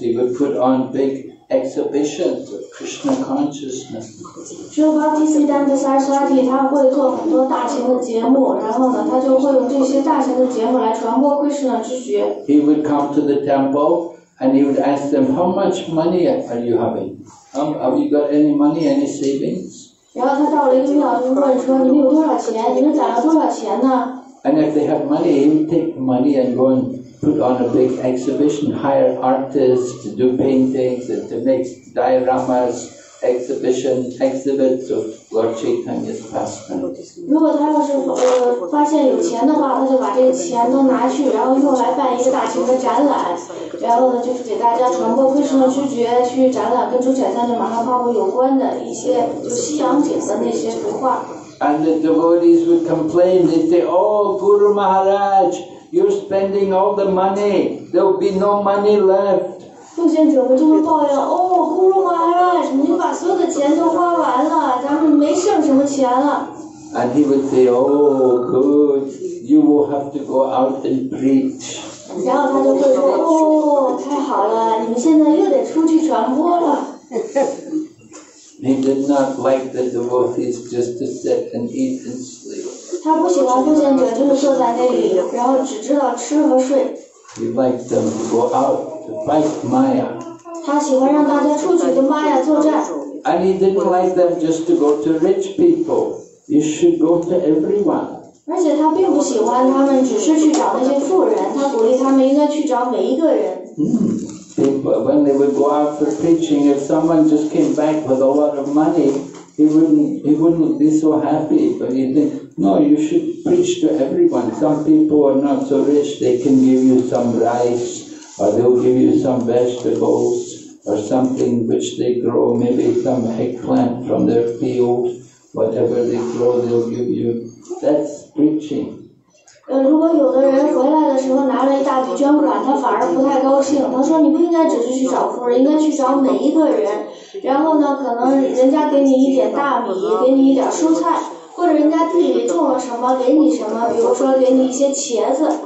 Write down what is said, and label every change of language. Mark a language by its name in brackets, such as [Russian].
[English] He would put on big exhibitions of Krishna consciousness. [Chinese] Srila Bhaktisiddhanta Sarasvati, 他会做很多大型的节目，然后呢，他就会用这些大型的节目来传播 Krishna 之学。 [English] He would come to the temple and he would ask them, "How much money are you having? Have you got any money, any savings?" [Chinese] 然后他到了一个庙，就问说：“你们有多少钱？你们攒了多少钱呢？” [English] And if they have money, he would take money and go and put on a big exhibition, hire artists to do paintings and to make dioramas, exhibits of Lord Chaitanya's pastime. [Chinese] 如果他要是发现有钱的话，他就把这个钱都拿去，然后用来办一个大型的展览，然后呢，就是给大家传播慧生的知觉，去展览跟朱雀三的马哈帕布有关的一些就西洋景的那些图画。 [English] And the devotees would complain. They'd say, "Oh, Guru Maharaj, you're spending all the money. There'll be no money left." [Chinese] 奉献者们就会抱怨，哦，古鲁马哈拉，你把所有的钱都花完了，咱们没剩什么钱了。 [English] And he would say, "Oh, good. You will have to go out and preach." [Chinese] 然后他就会说，哦，太好了，你们现在又得出去传播了。 [English] He did not like the devotees just to sit and eat and sleep. [Chinese] 他不喜欢奉献者就是坐在那里，然后只知道吃和睡。 [English] He liked them to go out to fight Maya. [Chinese] 他喜欢让大家出去跟 Maya 作战。 [English] And he didn't like them just to go to rich people. You should go to everyone. [Chinese] 而且他并不喜欢他们只是去找那些富人，他鼓励他们应该去找每一个人。 [English] When they would go out for preaching, if someone just came back with a lot of money, he wouldn't be so happy. But he'd think, no, you should preach to everyone. Some people are not so rich, they can give you some rice, or they'll give you some vegetables, or something which they grow, maybe some eggplant from their field, whatever they grow, they'll give you. That's preaching. [Chinese] 如果有的人回来的时候拿了一大笔捐款，他反而不太高兴。他说：“你不应该只是去找富人，应该去找每一个人。然后呢，可能人家给你一点大米，给你一点蔬菜，或者人家地里种了什么，给你什么，比如说给你一些茄子。